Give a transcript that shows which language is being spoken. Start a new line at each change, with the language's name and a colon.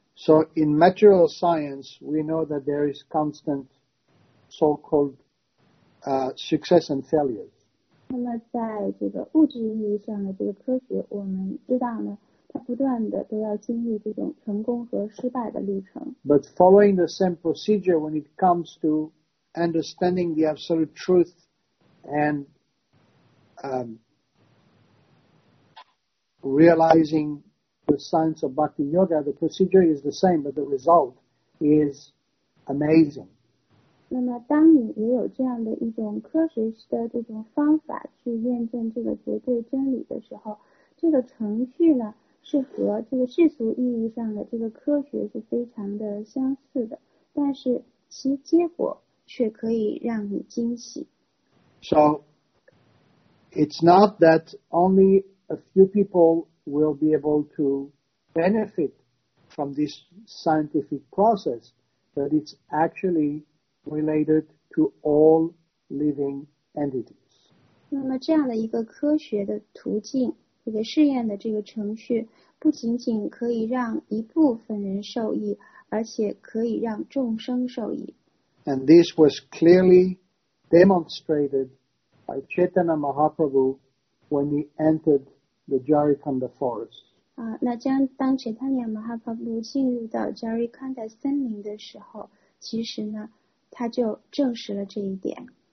English: So in material science, we know that there is constant so-called success and failures.
Chinese: 那么在这个物质意义上的这个科学，我们知道呢，它不断的都要经历这种成功和失败的历程。
English: But following the same procedure when it comes to understanding the absolute truth and realizing the science of Bhakti Yoga, the procedure is the same, but the result is amazing.
Chinese: 那么当你也有这样的一种科学的这种方法去验证这个绝对真理的时候，这个程序呢，是和这个世俗意义上的这个科学是非常的相似的，但是其结果却可以让你惊喜。
English: So, it's not that only a few people will be able to benefit from this scientific process, but it's actually related to all living entities.
Chinese: 那么这样的一个科学的途径，这个试验的这个程序，不仅仅可以让一部分人受益，而且可以让众生受益。
English: And this was clearly demonstrated by Chaitanya Mahaprabhu when he entered the Jarikanda forest.
Chinese: 那将当 Chaitanya Mahaprabhu 进入到 Jarikanda 森林的时候，其实呢，他就证实了这一点。